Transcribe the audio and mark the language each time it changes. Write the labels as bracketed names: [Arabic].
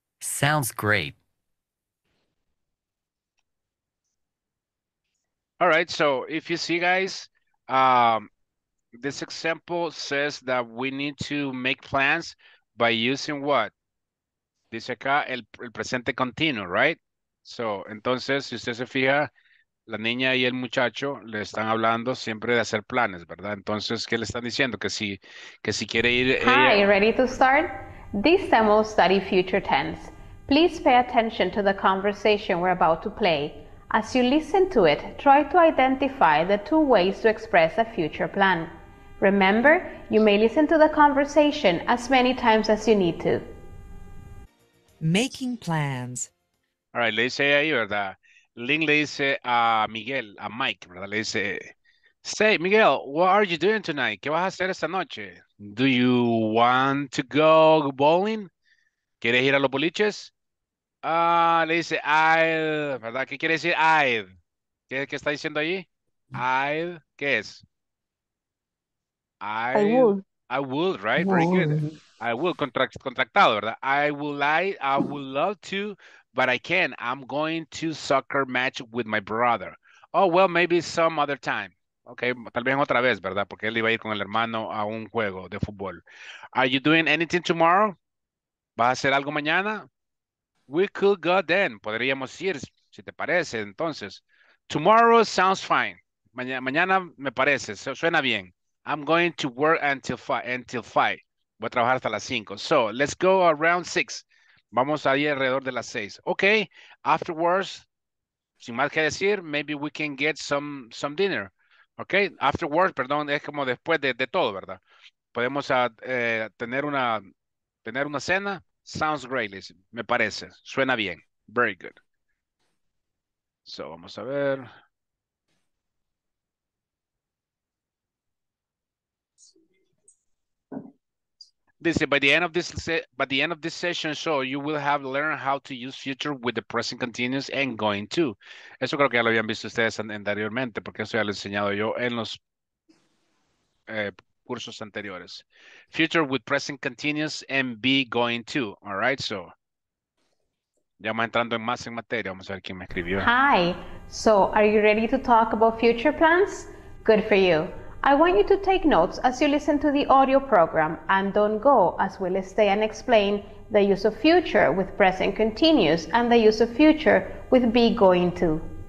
[English] Sounds great. All right, so if you see, guys, this example says that we need to make plans by using what? [Spanish] Dice acá el presente continuo, [English] right? [Spanish] So, entonces, si usted se fija, la niña y el muchacho le están hablando siempre de hacer planes, ¿verdad? Entonces, ¿qué le están diciendo? Que si quiere ir... [English] Hi, ella... ready to start? This demo study future tense. Please pay attention to the conversation we're about to play. As you listen to it, try to identify the two ways to express a future plan. Remember, you may listen to the conversation as many times as you need to. Making plans. [Spanish] All right, le dice ahí, ¿verdad? Link le dice a Miguel, a Mike, ¿verdad? Le dice, [English] say, Miguel, what are you doing tonight? [Spanish] ¿Qué vas a hacer esta noche? [English] Do you want to go bowling? [Spanish] ¿Quieres ir a los boliches? Le dice I'd, ¿verdad? ¿Qué quiere decir I'd? ¿Qué está diciendo allí? I'd, ¿qué es? [English] I would, right? Very good. I would, [Spanish] contractado, ¿verdad? [English] I would love to, but I can't. I'm going to soccer match with my brother. Oh, well, maybe some other time. Okay, [Spanish] tal vez otra vez, ¿verdad? Porque él iba a ir con el hermano a un juego de fútbol. [English] Are you doing anything tomorrow? [Spanish] ¿Vas a hacer algo mañana? [English] We could go then. [Spanish] Podríamos ir, si te parece. Entonces, [English] tomorrow sounds fine. [Spanish] Mañana me parece. Suena bien. [English] I'm going to work until five. [Spanish] Voy a trabajar hasta las 5. So, [English] let's go around 6. [Spanish] Vamos a ir alrededor de las 6. Okay. [English] Afterwards, [Spanish] sin más que decir, [English] maybe we can get some dinner. Okay. [Spanish] Afterwards, perdón, es como después de todo, ¿verdad? Podemos tener una cena. [English] Sounds great, listen. [Spanish] Me parece. Suena bien. [English] Very good. [Spanish] So, vamos a ver. [English] Dice, by the end of this session, so you will have learned how to use future with the present continuous and going to. [Spanish] Eso creo que ya lo habían visto ustedes anteriormente, porque eso ya lo he enseñado yo en los cursos anteriores. [English] Future with present continuous and be going to. All right, so. [Spanish] Ya vamos entrando en más en materia. Vamos a ver quién me escribió. [English] Hi. So, are you ready to talk about future plans? Good for you. I want you to take notes as you listen to the audio program and don't go, as we'll stay and explain the use of future with present continuous and the use of future with be going to.